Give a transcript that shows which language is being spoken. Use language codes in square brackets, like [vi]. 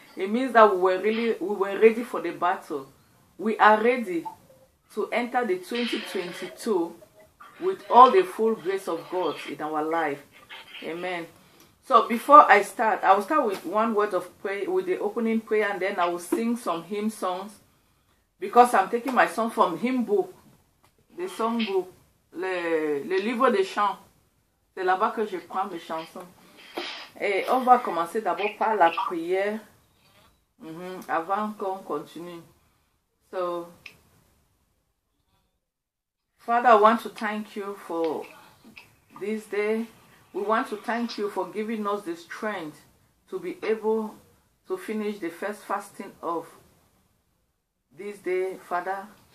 [en] It means that we were ready for the battle. We are ready to enter the 2022 with all the full grace of God in our life. Amen. So before I start, I will start with one word of prayer, with the opening prayer, and then I will sing some hymn songs, because I'm taking my song from hymn book, the song book, [fr] le livre des chants. C'est là-bas que je prends mes chansons. Et on va commencer d'abord par la prière avant qu'on continue. [en] So, Father, I want to thank you for this day. We want to thank you for giving us the strength to be able to finish the first fasting of this day, Father.